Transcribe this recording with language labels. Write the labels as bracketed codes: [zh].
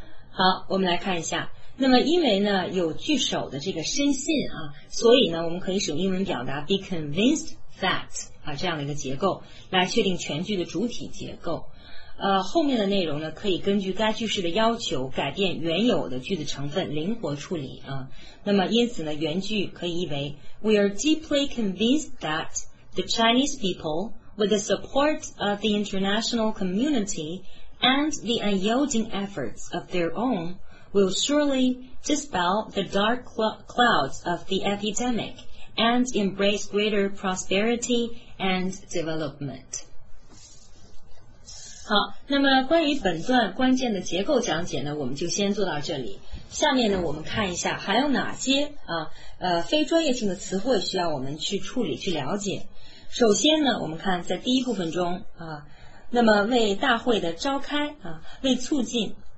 [zh] 好，我们来看一下。那么因为呢有句首的这个深信啊，所以呢我们可以使用英文表达 [en] be convinced that [zh] 啊，这样的一个结构来确定全句的主体结构。后面的内容呢可以根据该句式的要求改变原有的句子成分，灵活处理啊。那么因此呢，原句可以译为 [en] We are deeply convinced that the Chinese people with the support of the international community and the unyielding efforts of their own will surely dispel the dark clouds of the epidemic and embrace greater prosperity and development. [zh] 好，那么关于本段关键的结构讲解呢，我们就先做到这里。下面呢，我们看一下还有哪些非专业性的词汇需要我们去处理去了解。首先呢，我们看在第一部分中那么为大会的召开为促进。